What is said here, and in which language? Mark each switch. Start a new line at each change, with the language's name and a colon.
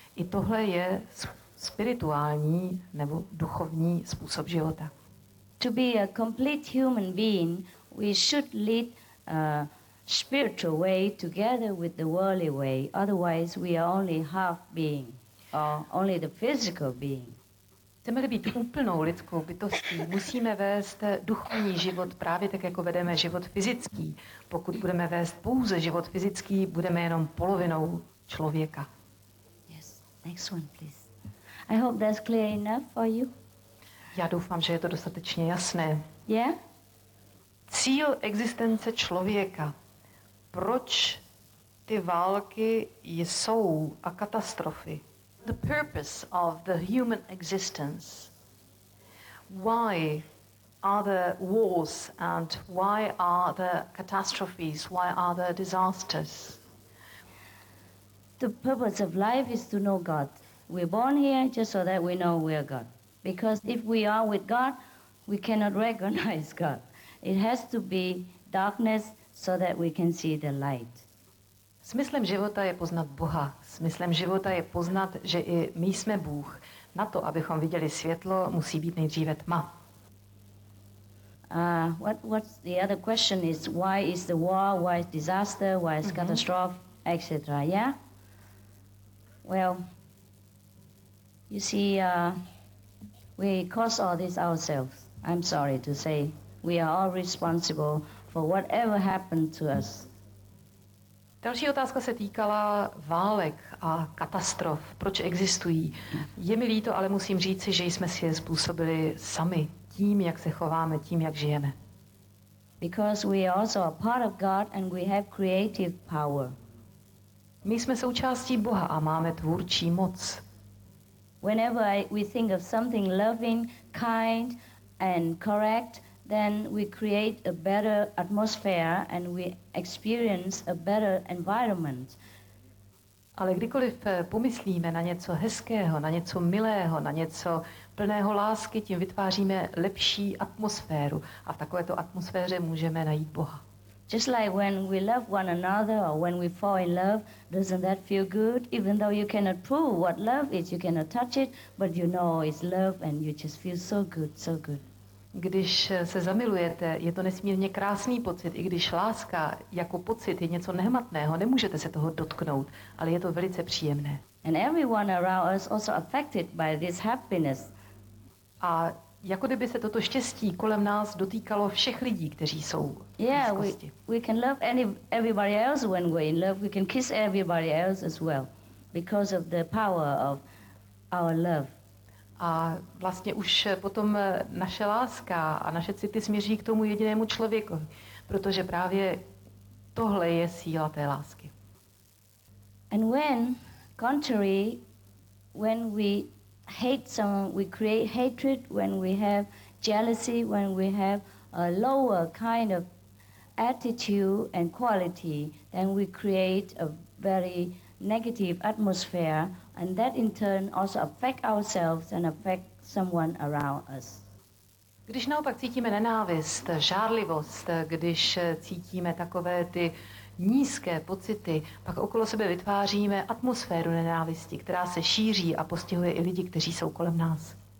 Czech: I tohle je spirituální nebo duchovní způsob života.
English: To be a complete human being, we should lead a spiritual way together with the worldly way. Otherwise, we are only half being, or only the physical being.
Czech: Chceme-li být úplnou lidskou bytostí, musíme vést duchovní život právě tak, jako vedeme život fyzický. Pokud budeme vést pouze život fyzický, budeme jenom polovinou člověka.
English: Yes, next one, please. I hope that's clear enough for you.
Czech: Já doufám, že je to dostatečně jasné.
English: Yeah?
Czech: Cíl existence člověka. Proč ty války jsou a katastrofy?
English: The purpose of the human existence. Why are there wars and why are there catastrophes? Why are there disasters? The purpose of life is to know God. We're born here just so that we know we are God. Because if we are with God, we cannot recognize God. It has to be darkness so that we can see the light.
Czech: Smyslem života je poznat Boha. Smyslem života je poznat, že i my jsme Bůh. Na to, abychom viděli světlo, musí být nejdříve tma.
English: What's the other question is, why is the war, why is disaster, why is catastrophe, etc. Yeah? Well, you see, we cause all this ourselves. I'm sorry to say, we are all responsible for whatever happened to us.
Czech: Další otázka se týkala válek a katastrof. Proč existují? Je mi líto, ale musím říci, že jsme si je způsobili sami tím, jak se chováme, tím, jak žijeme.
English: Because we are also a part of God and we have creative power.
Czech: My jsme součástí Boha a máme tvůrčí moc.
English: Whenever we think of something loving, kind and correct, then we create a better atmosphere and we experience a better environment.
Czech: Ale kdykoliv pomyslíme na něco hezkého, na něco milého, na něco plného lásky, tím vytváříme lepší atmosféru. A v takovéto atmosféře můžeme najít Boha.
English: Just like when we love one another or when we fall in love, doesn't that feel good? Even though you cannot prove what love is, you cannot touch it, but you know it's love and you just feel so good, so good.
Czech: Když se zamilujete, je to nesmírně krásný pocit, i když láska jako pocit je něco nehmatného, nemůžete se toho dotknout, ale je to velice příjemné.
English: And everyone around us also affected by this happiness.
Czech: A jako kdyby se toto štěstí kolem nás dotýkalo všech lidí, kteří jsou v blízkosti.
English: Yeah, we can love everybody else when we're in love, we can kiss everybody else as well, because of the power of our love.
Czech: A vlastně už potom naše láska a naše city směří k tomu jedinému člověku, protože právě tohle je síla té lásky.
English: And when contrary, when we hate someone, we create hatred, when we have jealousy, when we have a lower kind of attitude and quality, then we create a very negative atmosphere. And that in turn also affect ourselves and affect someone around us.
Czech: Když naopak cítíme nenávist, žárlivost, když cítíme takové ty nízké pocity, pak okolo sebe vytváříme atmosféru nenávisti, která se šíří a postihuje i lidi, kteří jsou kolem nás.